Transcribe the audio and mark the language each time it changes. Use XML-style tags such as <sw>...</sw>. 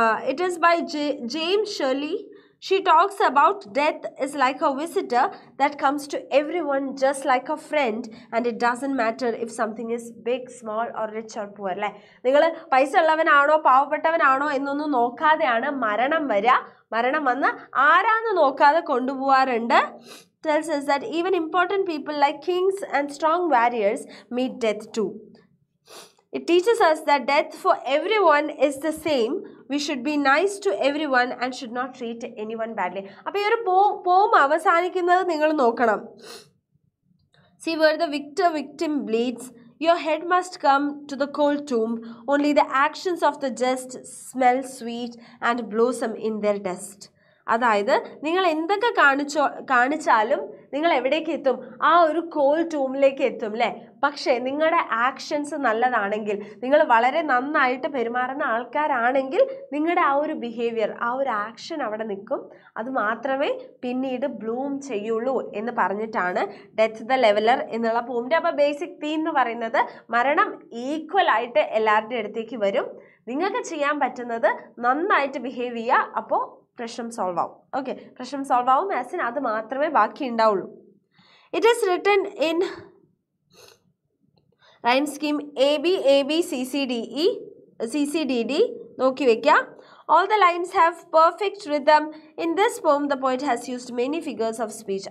<en>It is by James Shirley. She talks about death is like a visitor that comes to every one just like a friend and it doesn't matter if something is big small or rich or poor.</en> <ml>അല്ലേ, നിങ്ങൾ പൈസ ഉള്ളവനാണോ പാവപ്പെട്ടവനാണോ എന്നൊന്നും നോക്കാതെയാണ് മരണം വരിക. മരണം വന്ന് ആരാന്ന് നോക്കാതെ കൊണ്ടുപോവാറുണ്ട്.</ml> <en>Tells us that even important people like kings and strong warriors meet death too. It teaches us that death for everyone is the same. We should be nice to everyone and should not treat anyone badly.</en> <ml>Appo ee oru poem avasanikkunnathu ningal nokkanam.</ml> <en>See where the victim bleeds, your head must come to the cold tomb. Only the actions of the just smell sweet and blossom in their dust.</en> <ml>അതായത് നിങ്ങൾ എന്തൊക്കെ കാണിച്ചാലും നിങ്ങൾ എവിടേക്ക് എത്തും, ആ ഒരു called ടൂമിലേക്ക് എത്തും അല്ലേ. പക്ഷേ നിങ്ങളുടെ ആക്ഷൻസ് നല്ലതാണെങ്കിൽ, നിങ്ങൾ വളരെ നന്നായിട്ട് പെരുമാറുന്ന ആൾക്കാരാണെങ്കിൽ നിങ്ങളുടെ ആ ഒരു ബിഹേവിയർ, ആ ഒരു ആക്ഷൻ അവിടെ നിൽക്കും. അത് മാത്രമേ പിന്നീട് ബ്ലൂം ചെയ്യുള്ളൂ എന്ന് പറഞ്ഞിട്ടാണ് ഡെത്ത് ദ ലെവലർ എന്നുള്ള പോമിൻ്റെ അപ്പോൾ ബേസിക് തീം എന്ന് പറയുന്നത് മരണം ഈക്വലായിട്ട് എല്ലാവരുടെ അടുത്തേക്ക് വരും. നിങ്ങൾക്ക് ചെയ്യാൻ പറ്റുന്നത് നന്നായിട്ട് ബിഹേവ് ചെയ്യുക, അപ്പോൾ പ്രശ്നം സോൾവ് ആവും. ഓക്കെ, പ്രശ്നം സോൾവ് ആവും, ആസ് ഇൻ അത് മാത്രമേ ബാക്കി ഉണ്ടാവുള്ളൂ.</ml> <en>It is written in rhyme scheme A B C C D E C C D D.</en> <ml>നോക്കി വെക്കുക,</ml> <en>All the lines have perfect rhythm. In this poem, the poet has used many figures of speech.</en>